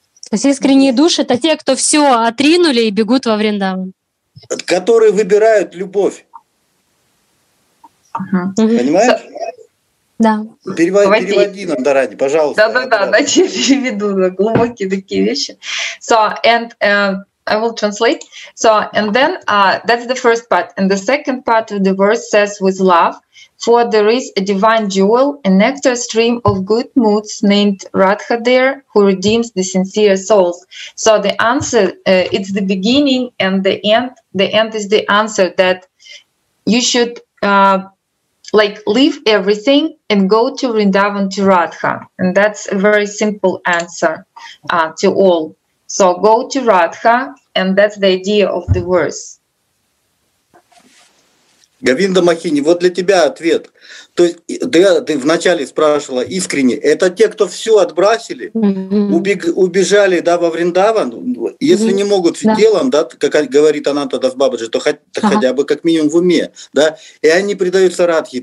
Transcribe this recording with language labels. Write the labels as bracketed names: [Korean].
[Russian] То есть искренние души — это те, кто все отринули и бегут во Вриндаван. Которые выбирают любовь. Uh-huh. Понимаешь? Да. Переводи нам, Дарани, пожалуйста. Да, я переведу на глубокие такие вещи. [English] So, and I will translate. So, and then that's the first part. And the second part of the verse says with love. For there is a divine jewel, a nectar stream of good moods named Radha there, who redeems the sincere souls. So the answer, it's the beginning and the end. The end is the answer that you should leave everything and go to Vrindavan, to Radha. And that's a very simple answer to all. So go to Radha, and that's the idea of the verse. [Russian] Говинда Махини, вот для тебя ответ. То есть ты вначале спрашивала искренне, это те, кто все отбросили, убежали, да, во Вриндаван, если не могут в телом, да, как говорит Ананта Дас Бабаджи, то хотя бы как минимум в уме, да, и они предаются Радхе.